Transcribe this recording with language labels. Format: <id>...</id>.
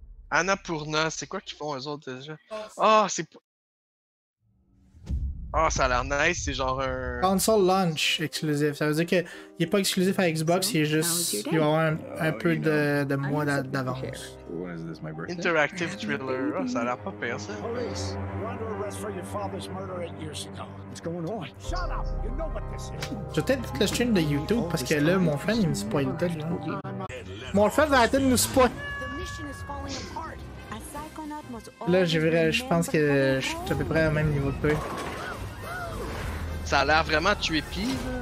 <fr>Annapurna, c'est quoi qu'ils font eux autres déjà? Oh, c'est... Oh, ça a l'air nice, c'est genre un...</fr> <en>Console launch exclusif.</en> <fr>Ça veut dire qu'il est pas exclusif à Xbox, il est juste... Il va avoir un peu de mois d'avance. Interactive thriller. Oh, ça a l'air pas pire, ça.</fr> <en>Police, you're under arrest for your father's murder 8 years ago. What's going on? Shut up! You know what this is!</en> <fr>Je vais peut-être le stream de YouTube, parce que là, mon friend, il me spoil tout. Mon friend va arrêter de nous spoil. Là, je pense que je suis à peu près au même niveau de peu. Ça a l'air vraiment trippy.</fr>